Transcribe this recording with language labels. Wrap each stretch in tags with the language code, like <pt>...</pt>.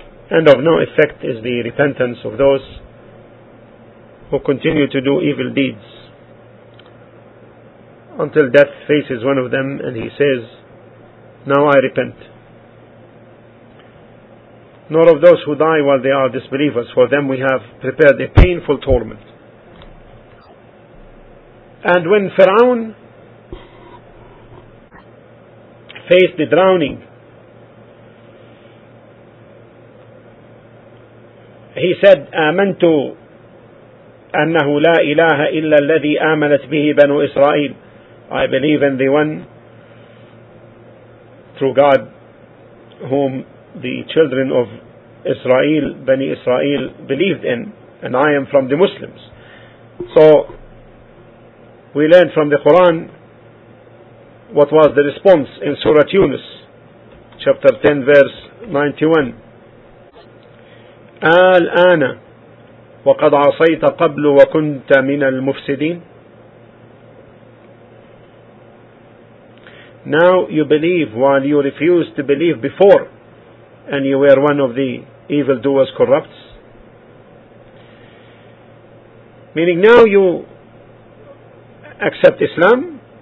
<en>And of no effect is the repentance of those who continue to do evil deeds until death faces one of them and he says, now I repent. Nor of those who die while they are disbelievers. For them we have prepared a painful torment. And when Pharaoh faced the drowning, he said,</en> <ar>آمنتُ أنه لا إله إلا الذي آمنت به بنو إسرائيل.</ar> <en>I believe in the one true God whom the children of Israel, Bani Israel, believed in. and I am from the Muslims. So we learn from the Quran what was the response in Surah Yunus, chapter 10, verse 91.</en> <ar>الآن وقد عصيت قبل وكنت من المفسدين.</ar> <en>Now you believe while you refused to believe before, and you were one of the evildoers, corrupts. Meaning now you accept Islam.</en>